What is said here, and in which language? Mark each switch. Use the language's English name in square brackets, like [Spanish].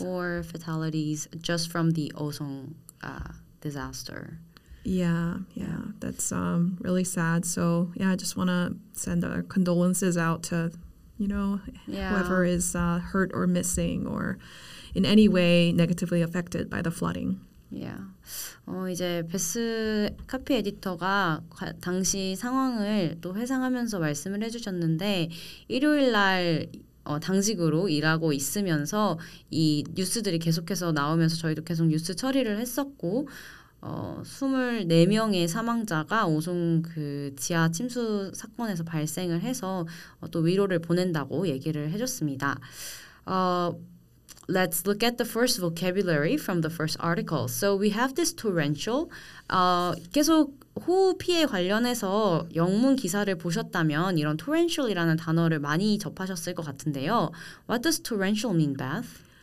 [English] Yeah, 24 fatalities just from the Osong disaster. Yeah. That's really sad. So yeah, I just want to send our condolences out to, you know, whoever is hurt or missing or in any way negatively affected by the flooding. Yeah. [Korean] 이제 베스 카피 에디터가 당시 상황을 또 회상하면서 말씀을 해주셨는데 일요일 날 당직으로 일하고 있으면서 이 뉴스들이 계속해서 나오면서 저희도 계속 뉴스 처리를 했었고 24명의 사망자가 오송 그 지하 침수 사건에서 발생을 해서 또 위로를 보낸다고 얘기를 해줬습니다. [English] Let's look at the first vocabulary from the first article. So we have this torrential. [Korean] 계속 호우 피해 관련해서 영문 기사를 보셨다면 이런 torrential이라는 단어를 많이 접하셨을 것 같은데요. [English] What does torrential mean, Beth?